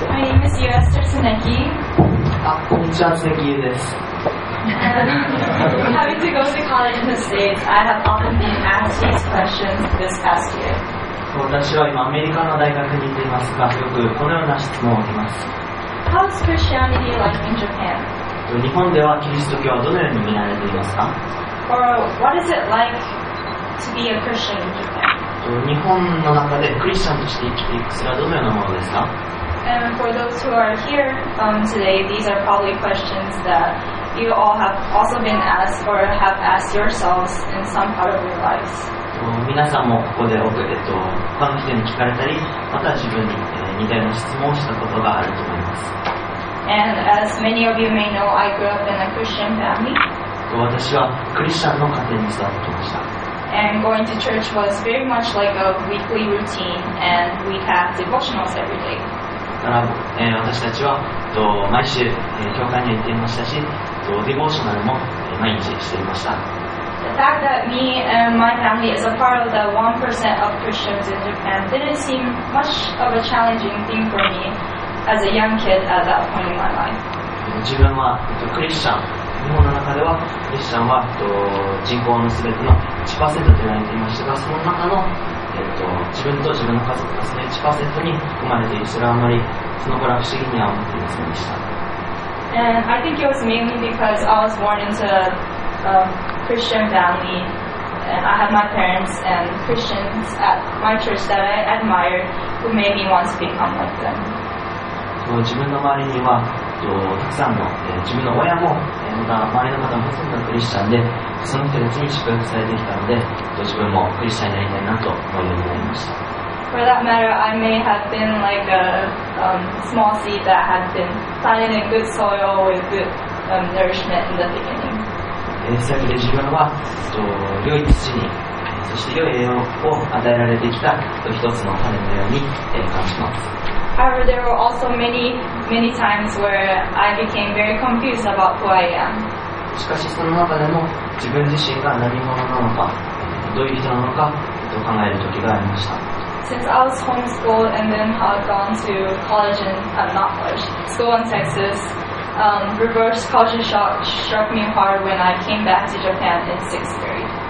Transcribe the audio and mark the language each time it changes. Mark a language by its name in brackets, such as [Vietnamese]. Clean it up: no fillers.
[Japanese] こんにちは、スネキユです。 [English] Having to go to college in the States, I have often been asked these questions this past year. [Japanese] 私は今アメリカの大学に行っていますが、よくこのような質問を受けます。 [English] How is Christianity like in Japan? [Japanese] 日本ではキリスト教はどのように見られていますか? [English] Or what is it like to be a Christian in Japan? [Japanese] 日本の中でクリスチャンとして生きていく、それはどのようなものですか? [English] And for those who are here today, these are probably questions that you all have also been asked or have asked yourselves in some part of your lives. [Japanese] 皆さんもここで他の人に聞かれたり、また自分に似たような質問をしたことがあると思います。 [English] And as many of you may know, I grew up in a Christian family. [Japanese] 私はクリスチャンの家庭に育ってました。 [English] And going to church was very much like a weekly routine, and we'd have devotionals every day. [Japanese] 私たちは毎週教会に行っていましたし、デボーショナルも毎日していました。 [English] That fact that me and my family is a part of the 1% of Christians in Japan didn't seem much of a challenging thing for me as a young kid at that point in my life. [Japanese] 自分は、クリスチャン、日本の中ではクリスチャンは、人口の全ての 1% と言われていましたが、その中の、自分と自分の家族ですね、1% に含まれている、それはあまりその頃は不思議には思っていませんでした。 [English] And I think it was mainly because I was born into a Christian family, and I had my parents and Christians at my church that I admired who made me want to become like them. [Japanese] 自分の周りにはたくさんの、自分の親も、また周りの方もほとんどクリスチャンで、その人たちに祝福されてきたので、自分もクリスチャンになりたいなと思うようになりました。 [English] For that matter, I may have been like a small seed that had been planted in good soil with good nourishment in the beginning. [Japanese] そして自分は良い土に、そして良い栄養を与えられてきた一つの種のように、感じます。 [English] However, there were also many, many times where I became very confused about who I am. [Japanese] しかしその中でも自分自身が何者なのか、どういう人なのかと考える時がありました。 [English] Since I was homeschooled and then had gone to college and not college, school in Texas, reverse culture shock struck me hard when I came back to Japan in sixth grade.